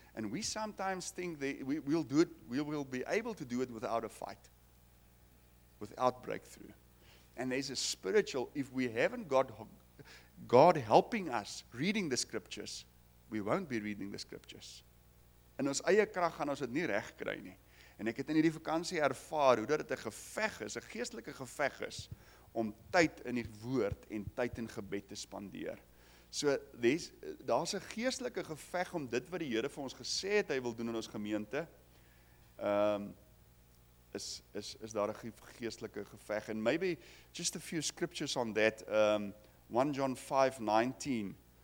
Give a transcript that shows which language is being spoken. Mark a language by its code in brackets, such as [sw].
[en] And we sometimes think that we will be able to do it without a fight, without breakthrough. And there's a spiritual, if we haven't got God helping us reading the scriptures, we won't be reading the scriptures. [af] In ons eie krag gaan ons dit nie reg kry nie. En ek het in hierdie vakansie ervaar hoe dat dit 'n geveg is, 'n geestelike geveg is, om tyd in die woord en tyd in gebed te spandeer. So, daar's 'n geestelike geveg om dit wat die Here vir ons gesê het, hy wil doen in ons gemeente, is daar 'n geestelike geveg. [en] And maybe just a few scriptures on that. 1 John 5:19.